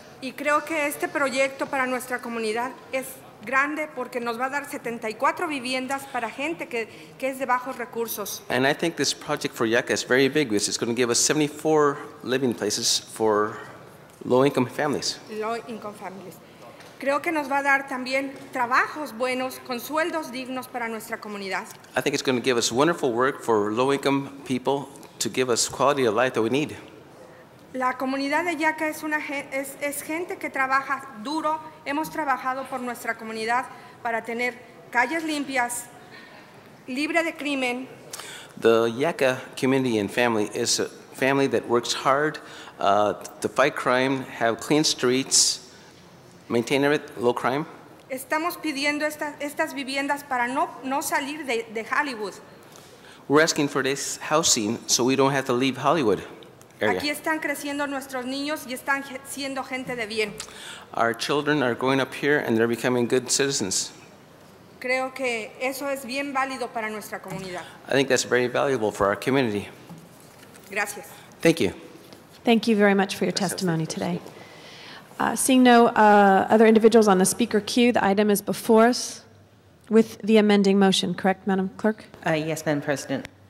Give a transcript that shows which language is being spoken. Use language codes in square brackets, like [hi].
[es] Y creo que este proyecto para nuestra comunidad es grande porque nos va a dar 74 viviendas para gente que es de bajos recursos. [en] And I think this project for Yucca is very big because it's going to give us 74 living places for low-income families. Low-income families. [es] Creo que nos va a dar también trabajos buenos con sueldos dignos para nuestra comunidad. [en] I think it's going to give us wonderful work for low-income people to give us quality of life that we need. [es] La comunidad de Yucca es gente que trabaja duro. Hemos trabajado por nuestra comunidad para tener calles limpias, libre de crimen. [en] The Yucca community and family is a family that works hard to fight crime, have clean streets, maintain low crime. [es] Estamos pidiendo estas viviendas para no salir de Hollywood. [en] We're asking for this housing so we don't have to leave Hollywood. area. [es] Aquí están creciendo nuestros niños y están siendo gente de bien. [en] Our children are growing up here and they're becoming good citizens. [es] Creo que eso es bien válido para nuestra comunidad. [en] I think that's very valuable for our community. [es] Gracias. [en] Thank you. Thank you very much for your testimony today. Seeing no other individuals on the speaker queue, the item is before us with the amending motion, correct, Madam Clerk? Yes, Madam President.